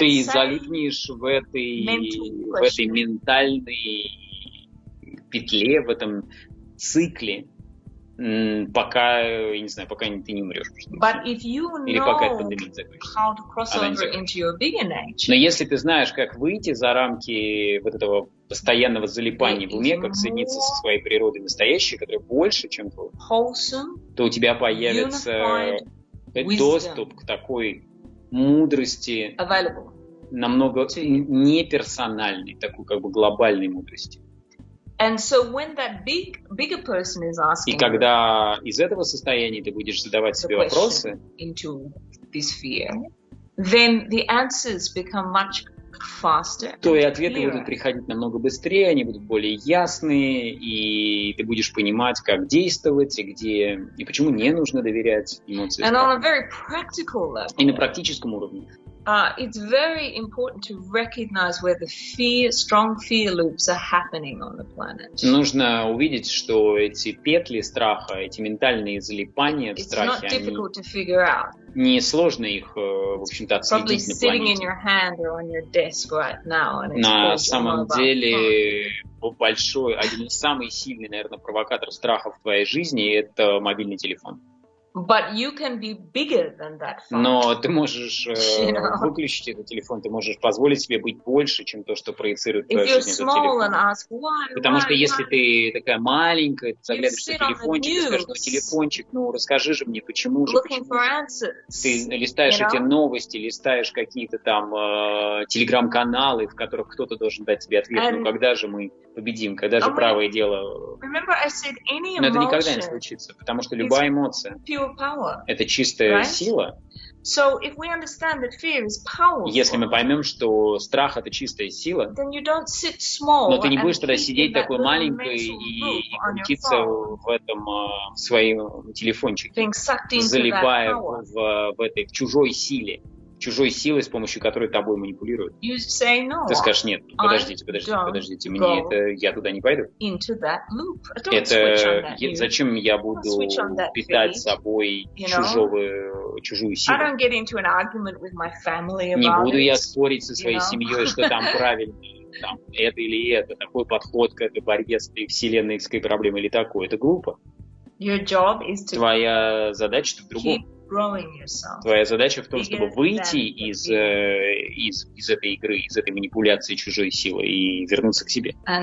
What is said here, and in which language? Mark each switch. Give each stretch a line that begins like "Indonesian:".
Russian: Ты залипнешь в этой ментальной петле, в этом цикле. пока, я не знаю, пока ты не умрешь.
English: But if you know
Russian: или пока эта пандемия закончится.
English: How to cross over into your vegan age,
Russian: но если ты знаешь, как выйти за рамки вот этого постоянного залипания в уме, как соединиться со своей природой настоящей, которая больше, чем твоя, то у тебя появится доступ к такой мудрости, намного не персональной, такой как бы глобальной мудрости.
English: And so when that bigger person is asking,
Russian: и когда из этого состояния ты будешь задавать себе вопросы,
English: into this fear, then the answers become much faster.
Russian: То и ответы будут приходить намного быстрее, они будут более ясные, и ты будешь понимать, как действовать и где и почему не нужно доверять эмоциям.
English: And on a very practical level,
Russian: и на практическом уровне.
English: It's very important to recognize where the fear, strong fear loops are happening on the planet.
Russian: Нужно увидеть, что эти петли страха, эти ментальные залипания в страхе,
English: it's not difficult to figure out.
Russian: Не сложно их, в общем-то, отследить
English: probably
Russian: на планете.
English: Sitting in your hand or on your desk right now, and it's
Russian: на самом деле, большой, один из самых сильных, наверное, провокаторов страха в твоей жизни – это мобильный телефон.
English: But you can be bigger than that phone.
Russian: Но ты можешь выключить этот телефон, ты можешь позволить себе быть больше, чем то, что проецирует твоя жизнь этот телефон.
English: Ask, why,
Russian: потому что
English: why,
Russian: если ты такая маленькая, ты заглядываешь на телефончик, ты скажешь, ну телефончик, ну расскажи же мне, почему же, ты листаешь эти новости, листаешь какие-то там телеграм-каналы, в которых кто-то должен дать тебе ответ, ну когда же мы победим, когда же правое дело. Но это никогда не случится, потому что любая эмоция это чистая сила.
English: So if we understand that fear is powerful,
Russian: если мы поймем, что страх это чистая сила,
English: then you don't sit small,
Russian: но ты не будешь тогда сидеть такой маленькой и крутиться в этом своем телефончике, залипая в чужой силе, чужой силой, с помощью которой тобой манипулируют.
English: You say no,
Russian: ты скажешь, нет, подождите, мне это, я туда не пойду.
English: Into that loop. Don't
Russian: это
English: switch on that,
Russian: зачем я буду питать собой чужую силу?
English: I don't get into an argument with my family about
Russian: не буду
English: it,
Russian: я спорить со своей семьей, что там правильно, там, это или это, такой подход к этой борьбе с этой вселенной проблемой или такой. Это глупо.
English: Your job is to
Russian: твоя задача в другом. Твоя задача в том, чтобы выйти из этой игры, из этой манипуляции чужой силой и вернуться к себе.